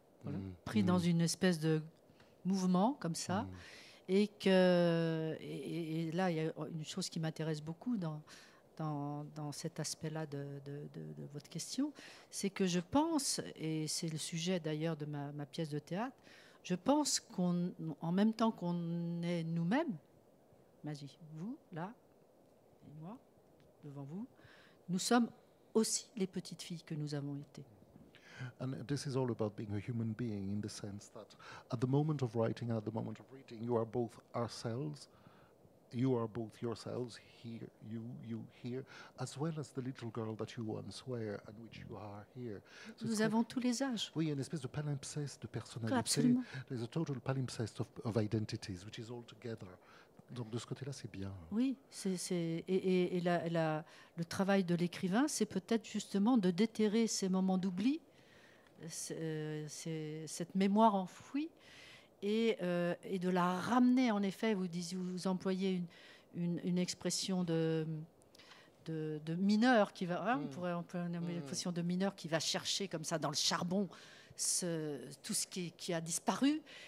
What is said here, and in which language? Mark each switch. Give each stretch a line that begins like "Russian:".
French: Voilà, pris dans une espèce de mouvement comme ça, et là il y a une chose qui m'intéresse beaucoup dans cet aspect-là de votre question, c'est que je pense, et c'est le sujet d'ailleurs de ma pièce de théâtre, je pense qu'on, en même temps qu'on est nous-mêmes, magie, vous là et moi devant vous, nous sommes aussi les petites filles que nous avons été.
English: And this is all about being a human being in the sense that at the moment of writing, at the moment of reading, you are both ourselves, you are both yourselves here, you here, as well as the little girl that you once were and which you are here.
French: So nous avons tous les âges. Oui, une espèce de palimpseste de personnalité. Absolument.
English: There's a total palimpseste of identities, which is all together.
French: Donc de ce côté-là, c'est bien. Oui, le travail de l'écrivain, c'est peut-être justement de déterrer ces moments d'oubli, cette mémoire enfouie, et de la ramener. En effet, vous employez une expression de mineur qui va, on pourrait employer une expression de mineur qui va chercher comme ça dans le charbon tout ce qui a disparu.